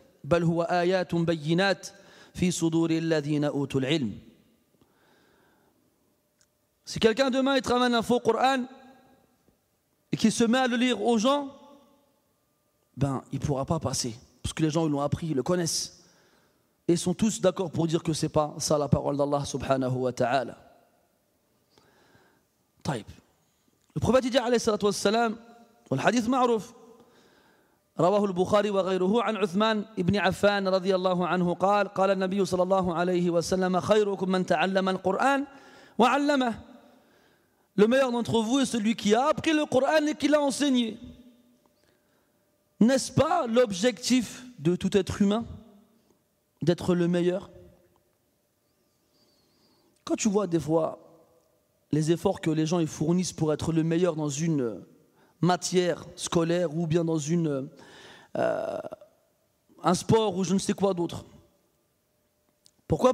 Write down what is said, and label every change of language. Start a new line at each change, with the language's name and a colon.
Arabic: « Bal huwa ayatun bayyinat fi suduri alladhina utul ilm.
French: » Si quelqu'un demain il te ramène un faux Coran et qu'il se met à le lire aux gens, ben il ne pourra pas passer parce que les gens ils l'ont appris, ils le connaissent et sont tous d'accord pour dire que ce n'est pas ça la parole d'Allah subhanahu wa ta'ala.
Arabic: طيب.
French: Le prophète dit alayhi salatu wassalam, le hadith ma'ruf,
Arabic: رواه البخاري وغيره عن عثمان ابن عفان رضي الله عنه قال قال النبي صلى الله عليه وسلم خيركم من تعلم القرآن وعلمه.
French: Le meilleur d'entre vous est celui qui a appris le Coran et qui l'a enseigné. N'est-ce pas l'objectif de tout être humain d'être le meilleur? Quand tu vois des fois les efforts que les gens y fournissent pour être le meilleur dans une matière scolaire ou bien dans une un sport ou je ne sais quoi d'autre. Pourquoi?